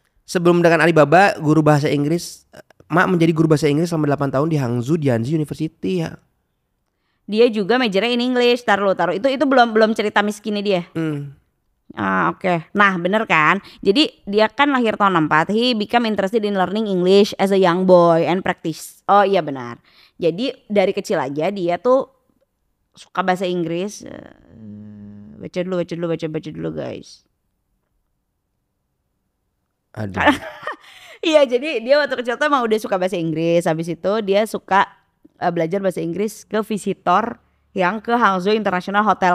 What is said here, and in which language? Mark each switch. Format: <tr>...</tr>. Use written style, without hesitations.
<id>Sebelum dengan Alibaba, guru bahasa Inggris. Ma menjadi guru bahasa Inggris selama 8 tahun di Hangzhou, Tianzi University ya. Dia juga majornya in English, taruh. Itu belum cerita miskinnya dia. Okay. Nah benar kan. Jadi dia kan lahir tahun 64.</id> <en>He became interested in learning English as a young boy and practice.</en> <id>Oh iya benar. Jadi dari kecil aja dia tuh suka bahasa Inggris. Baca dulu guys. Aduh. Iya jadi dia waktu kecil tuh emang udah suka bahasa Inggris. Habis itu dia suka belajar bahasa Inggris ke visitor yang ke Hangzhou International Hotel.</id>